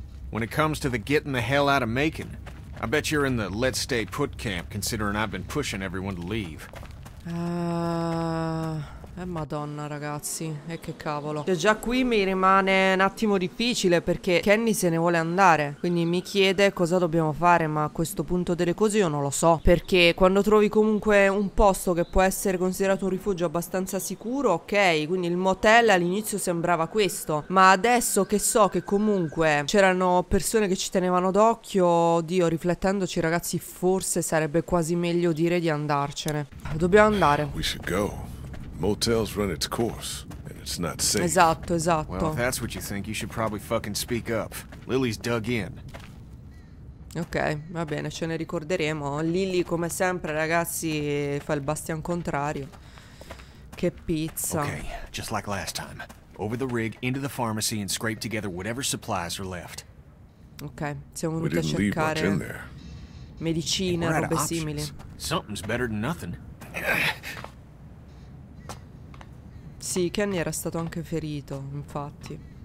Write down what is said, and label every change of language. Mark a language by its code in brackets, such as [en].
[en] When it comes to the getting the hell out of Macon, I bet you're in the let's stay put camp, considering I've been pushing everyone to leave. [it] Madonna, ragazzi, che cavolo. Cioè, già qui mi rimane un attimo difficile perché Kenny se ne vuole andare. Quindi mi chiede cosa dobbiamo fare, ma a questo punto delle cose io non lo so. Perché quando trovi comunque un posto che può essere considerato un rifugio abbastanza sicuro, ok. Quindi il motel all'inizio sembrava questo. Ma adesso che so che comunque c'erano persone che ci tenevano d'occhio, oddio, riflettendoci, ragazzi, forse sarebbe quasi meglio dire di andarcene. Dobbiamo andare. [en] We should go. Motel's run its course, and it's not safe. [it] Esatto, esatto. [en] Well, if that's what you think, you should probably fucking speak up. Lily's dug in. [it] Ok, va bene, ce ne ricorderemo. Lily, come sempre, ragazzi, fa il bastian contrario. Che pizza. [en] Okay, just like last time. Over the rig, into the pharmacy, and scrape together whatever supplies are left. [it] Ok, siamo venuti a cercare... [en] We didn't leave much in there. [it] Medicine, robe simili. [en] Something's better than nothing. [it] Sì, Kenny era stato anche ferito, infatti.